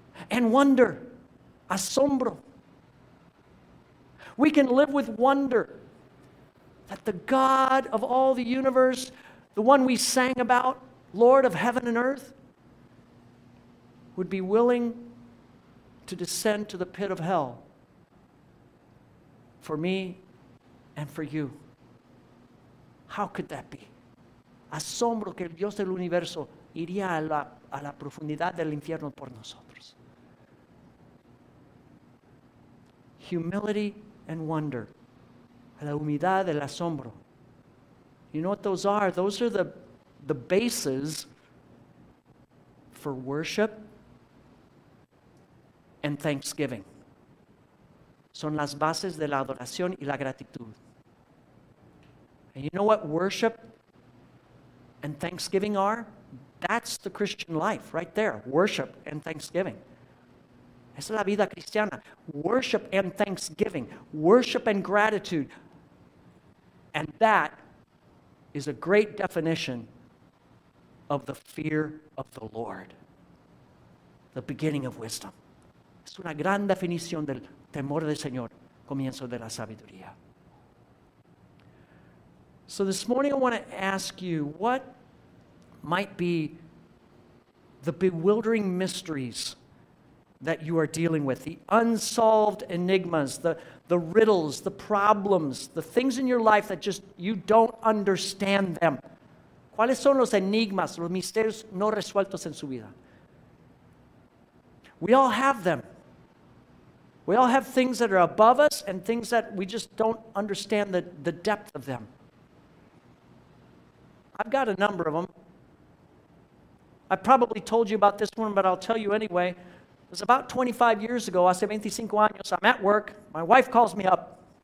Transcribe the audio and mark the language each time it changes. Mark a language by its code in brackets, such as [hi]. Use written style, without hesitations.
[en] And wonder, asombro. We can live with wonder that the God of all the universe, the one we sang about, Lord of heaven and earth, would be willing to descend to the pit of hell for me and for you. How could that be? [es] Asombro que el Dios del universo iría a la profundidad del infierno por nosotros. [en] Humility and wonder. [es] A la humildad, el asombro. [en] You know what those are? Those are the bases for worship and thanksgiving. [es] Son las bases de la adoración y la gratitud. [en] And you know what worship and thanksgiving are? That's the Christian life right there. Worship and thanksgiving. [es] Esa es la vida cristiana. [en] Worship and thanksgiving. Worship and gratitude. And that is a great definition of the fear of the Lord. The beginning of wisdom. [es] Es una gran definición del temor del Señor, comienzo de la sabiduría. [en] So this morning I want to ask you, what might be the bewildering mysteries that you are dealing with, the unsolved enigmas, the riddles, the problems, the things in your life that just you don't understand them. [es] ¿Cuáles son los enigmas, los misterios no resueltos en su vida? [en] We all have them. We all have things that are above us and things that we just don't understand the depth of them. I've got a number of them. I probably told you about this one, but I'll tell you anyway. It was about 25 years ago, [es] hace 25 años, [en] I'm at work, my wife calls me up.